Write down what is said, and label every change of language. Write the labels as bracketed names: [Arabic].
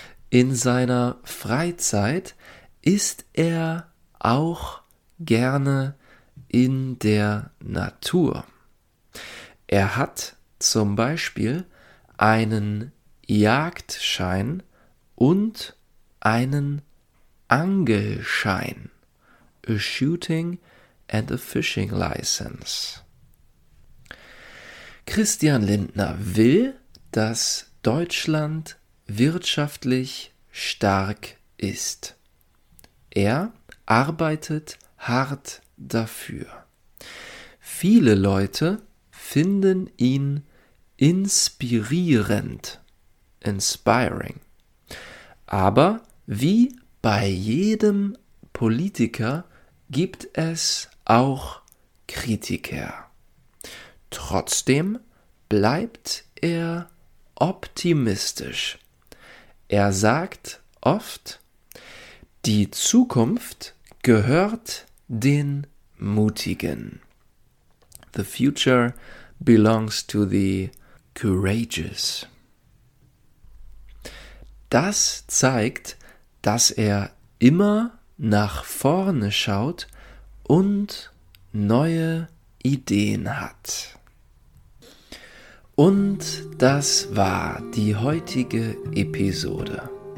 [German] In seiner Freizeit ist er auch gerne in der Natur. Er hat zum Beispiel einen Jagdschein und einen Angelschein. [English] A shooting and a fishing license. [German] Christian Lindner will, dass Deutschland wirtschaftlich stark ist. Er arbeitet hart dafür. Viele Leute finden ihn inspirierend, inspiring. Aber wie bei jedem Politiker gibt es auch Kritiker. Trotzdem bleibt er optimistisch. Er sagt oft, die Zukunft gehört den Mutigen. [English] The future belongs to the courageous. [German] Das zeigt, dass er immer nach vorne schaut und neue Ideen hat. Und das war die heutige Episode.